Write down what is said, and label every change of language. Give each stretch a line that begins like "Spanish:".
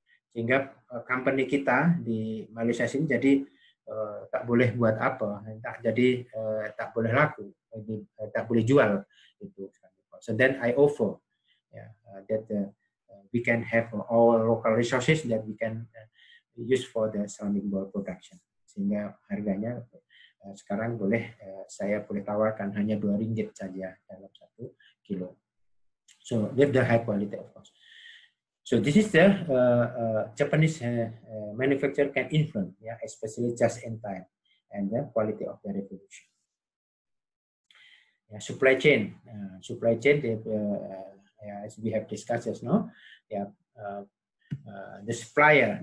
Malay: Sehingga company kita di Malaysia sini jadi tak boleh buat apa, tak jadi tak boleh laku, jadi, tak boleh jual itu.
English: So then I offer that we can have all local resources that we can use for the ceramic bowl production.
Malay: Sehingga harganya sekarang boleh saya boleh tawarkan hanya 2 ringgit saja dalam 1 kilo.
English: So with the high quality of course. So this is the Japanese manufacturer can influence yeah, especially just in time and the quality of the revolution. Yeah, supply chain. Supply chain the yeah, as we have discussed just now, yeah, the supplier.